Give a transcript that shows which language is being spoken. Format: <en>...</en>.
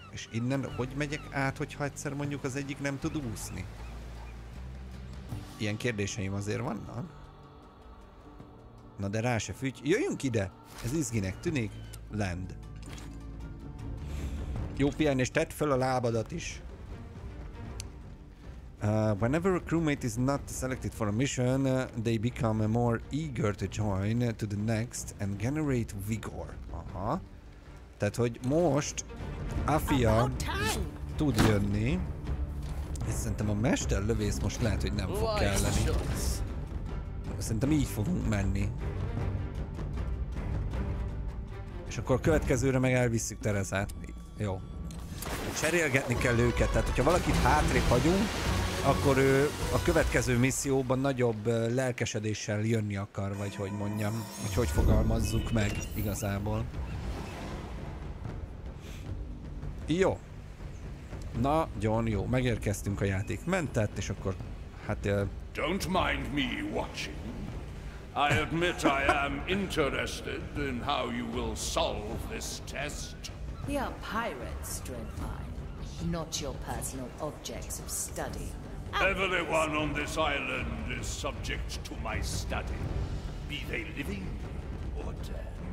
<hu>És innen hogy megyek át, hogyha egyszer mondjuk az egyik nem tud úszni? Ilyen kérdéseim azért vannak. Na de rá se fügy. Jöjjünk ide! Ez izginek tűnik. Land. Jó pihenni, és tedd fel a lábadat is.</hu> <en>Whenever a crewmate is not selected for a mission, they become more eager to join to the next and generate vigor.</en> <hu>Aha. Tehát, hogy most Afia tud jönni. És szerintem a mesterlövész most lehet, hogy nem fog kelleni. Szerintem így fogunk menni. És akkor a következőre meg elvisszük Terezát. Jó. Cserélgetni kell őket, tehát hogyha valakit hátrébb hagyunk, akkor ő a következő misszióban nagyobb lelkesedéssel jönni akar, vagy hogy mondjam, hogy hogy fogalmazzuk meg igazából. Jó. Nagyon jó, megérkeztünk a játék mentett, és akkor hát...</hu> <en>Don't mind me watching. I admit I am interested in how you will solve this test. We are pirates, Dreadmine, not your personal objects of study. Everyone on this island is subject to my study, be they living or dead.</en>